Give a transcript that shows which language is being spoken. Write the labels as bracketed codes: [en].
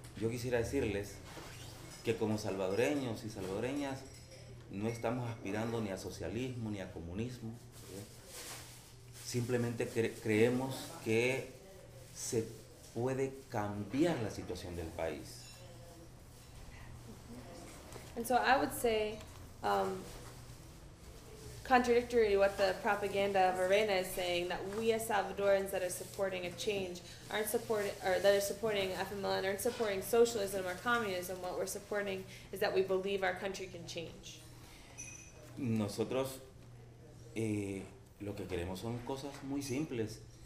[es] Yo quisiera decirles que como salvadoreños y salvadoreñas no estamos aspirando ni a socialismo ni a comunismo, ¿verdad? Simplemente creemos que se puede cambiar la situación del país. [en] And so I would say, contradictory to what the propaganda of Arena is saying, that we as Salvadorans that are supporting a change aren't supporting FMLN aren't supporting socialism or communism. What we're supporting is that we believe our country can change. [es] Nosotros lo que queremos son cosas muy simples.